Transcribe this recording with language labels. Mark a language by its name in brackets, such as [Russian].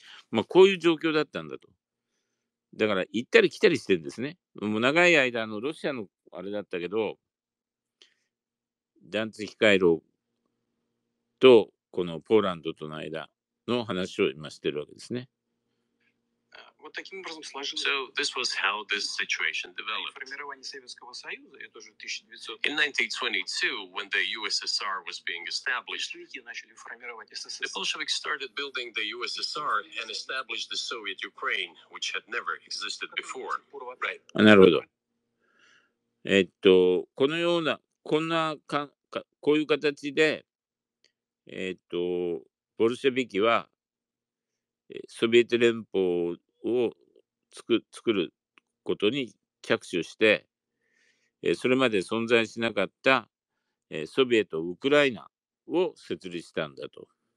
[Japanese] まあ、こういう状況だったんだと。だから行ったり来たりしてるんですね。もう長い間のロシアのあれだったけど、ダンツヒ回廊とこのポーランドとの間の話を今してるわけですね。 [English] So this was how this situation developed. In 1922, when the USSR was being established, the Bolsheviks started building the USSR and established the Soviet Ukraine, which had never existed before. Right. [Japanese] なるほど。このような、こんな、こういう形で、ボルシェビキは、ソビエト連邦を作ることに着手して、それまで存在しなかった、ソビエト・ウクライナを設立したんだと。